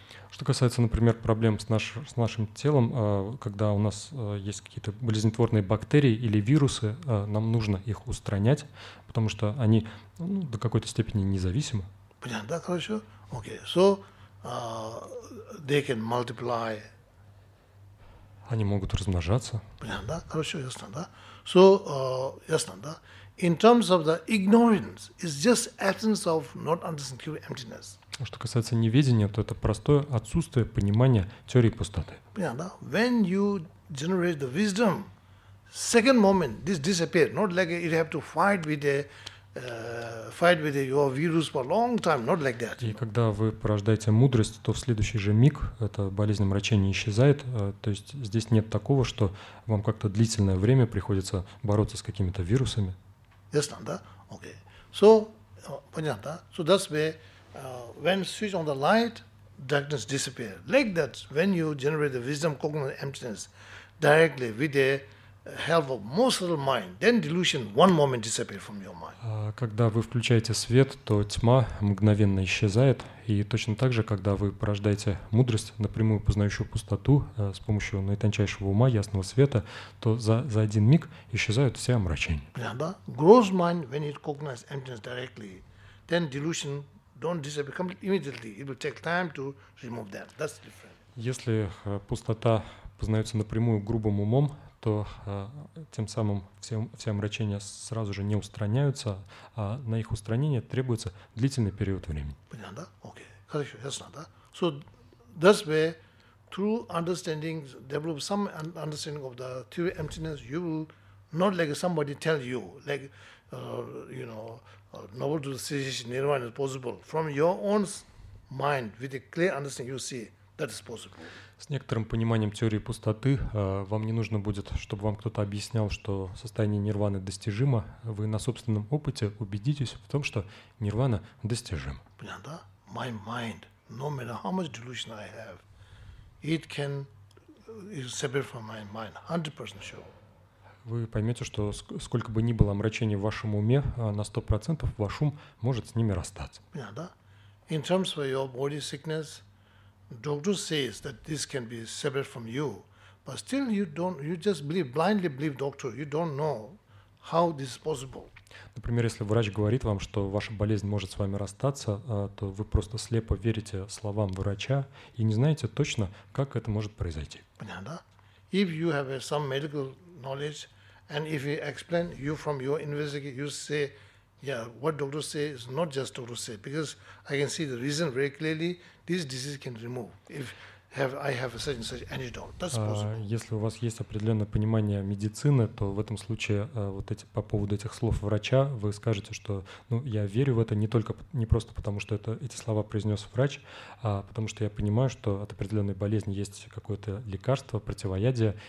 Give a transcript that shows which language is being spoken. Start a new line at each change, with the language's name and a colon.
Russian: Что касается, например, проблем с нашим телом, когда у нас есть какие-то болезнетворные бактерии или вирусы, нам нужно их устранять, потому что они до какой-то степени независимы. Понятно, хорошо?
English: Okay, so they can multiply.
Russian: Они могут размножаться. Понятно, хорошо, ясно, да? So, ясно, да?
English: In terms of the ignorance, it's just absence of not understanding pure emptiness.
Russian: Что касается неведения, то это простое отсутствие понимания теории пустоты. Понятно, да?
English: When you generate the wisdom, second moment, this disappears. Not like you have to fight with your virus for a long time, not like that.
Russian: И когда вы порождаете мудрость, то в следующий же миг эта болезнь омрачения исчезает. То есть здесь нет такого, что вам как-то длительное время приходится бороться с какими-то вирусами. Ясно, да? Okay. So, понятно, да?
English: So that's where, when switch on the light, darkness disappears. Like that, when you generate the wisdom, cognitive emptiness, directly with the help of most little mind, then delusion one moment disappears from your mind.
Russian: Когда вы включаете свет, то тьма мгновенно исчезает. И точно так же, когда вы порождаете мудрость, напрямую познающую пустоту, с помощью наитончайшего ума, ясного света, то за один миг исчезают все омрачения. Да?
English: Gross mind, when it recognizes emptiness directly, then delusion don't disappear completely immediately. It will take time to remove that. That's different.
Russian: Если пустота познаются напрямую грубым умом, то тем самым все омрачения сразу же не устраняются, а на их устранение требуется длительный период времени. Понятно, да? Окей. Хорошо, ясно, да?
English: So, that's where through understanding, develop some understanding of the theory of emptiness, you will not like somebody tell you, like, you know, noble to the situation, nirvana is possible. From your own mind, with a clear understanding, you see that is possible.
Russian: С некоторым пониманием теории пустоты вам не нужно будет, чтобы вам кто-то объяснял, что состояние нирваны достижимо. Вы на собственном опыте убедитесь в том, что нирвана достижима. Понятно, да?
English: My mind, no matter how much delusion I have, it can separate from my mind, 100% sure.
Russian: Вы поймете, что сколько бы ни было омрачений в вашем уме, на 100% ваш ум может с ними расстаться. Понятно, да?
English: In terms of your body sickness, doctor says that this can be separate from you, but still you just believe, blindly believe doctor, you don't know how this is possible.
Russian: Например, если врач говорит вам, что ваша болезнь может с вами расстаться, то вы просто слепо верите словам врача и не знаете точно, как это может произойти. Понятно, да?
English: If you have some medical knowledge, and if he explain you from your investigation, you say, yeah, what doctor say is not just doctor say, because I can see the reason very clearly, this disease can remove. If I have a certain antidote, that's possible.
Russian: Если у вас есть определенное понимание медицины, то в этом случае вот эти по поводу этих слов врача вы скажете, что ну я верю в это не просто потому, что эти слова произнес врач, а потому что я понимаю, что от определенной болезни есть какое-то лекарство, противоядие.